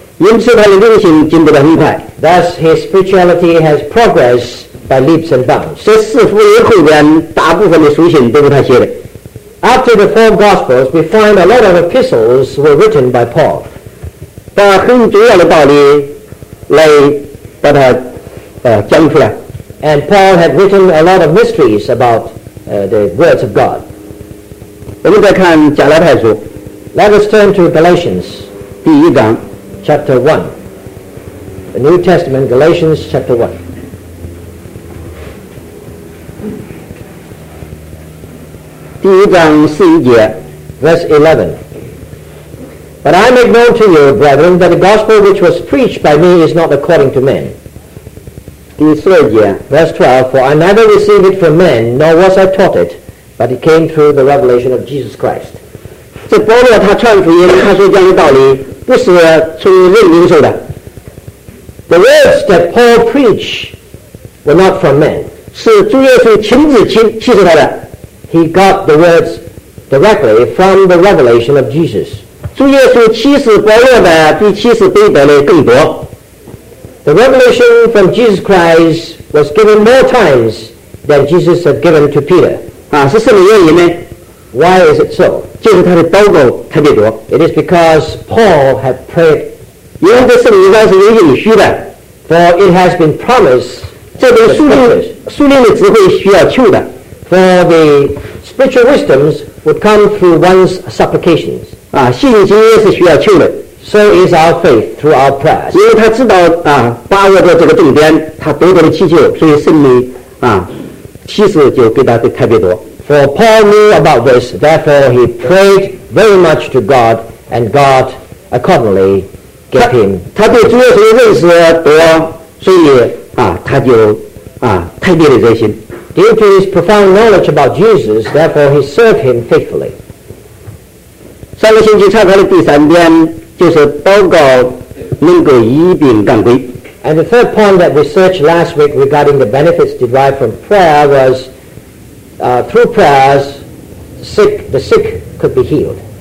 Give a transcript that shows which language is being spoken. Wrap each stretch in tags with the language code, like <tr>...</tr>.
<zh>因此他的灵性进步得很快。</zh> <en>Thus his spirituality has progressed by leaps and bounds.</en> <zh>这四福音后边大部分的书信都是他写的。</zh> <en>After the four gospels, we find a lot of epistles were written by Paul.</en> <zh>把很重要的道理 来把它讲出来。</zh> <en>And Paul had written a lot of mysteries about the words of God.</en> <zh>我们再看加拉太书。</zh> <en>Let us turn to Galatians,</en> <zh>第一章</zh> <en>，Chapter One, the New Testament, Galatians, Chapter One.</en> <zh>第一章四一节</zh> <en>，Verse 11. But I make known to you, brethren, that the gospel which was preached by me is not according to men.</en> <zh>第四节</zh> <en>，Verse 12. For I neither received it from men, nor was I taught it, but it came through the revelation of Jesus Christ.</en> <zh>这保罗他传福音，他说这样的道理不是从人领受的。</zh> <en>The words that Paul preached were not from men.</en> <zh>是主耶稣亲自启示他的。</zh> <en>He got the words directly from the revelation of Jesus.</en> <zh>主耶稣启示保罗的比启示彼得的更多。</zh> <en>The revelation from Jesus Christ was given more times than Jesus had given to Peter.</en> <zh>啊，是什么原因呢</zh> <en>？Why is it so?</en> <zh>就是他的祷告特别多。</zh> <en>It is because Paul had prayed.</en> <zh>因为这圣灵当时有应许的。</zh> <en>For it has been promised.</en> <zh>这个属灵的智慧需要求的。</zh> <en>For the spiritual wisdoms would come through one's supplications.</en> <zh>啊，信心也是需要求的。</zh> <en>So is our faith through our prayers.</en> <zh>因为他知道啊，把握着这个重点，他多多的祈求，所以圣灵啊，启示就给他的特别多。</zh> <en>For Paul knew about this, therefore he prayed very much to God, and God accordingly gave him.</en> <zh>他对主耶稣认识多，所以啊，他就啊，特别的热心。</zh> <en>Due to his profound knowledge about Jesus, therefore he served him faithfully.</en> <zh>上个星期查考的第三点就是祷告能够医病赶鬼。</zh> <en>And the third point that we searched last week regarding the benefits derived from prayer was, through prayers, the sick could be healed.</en>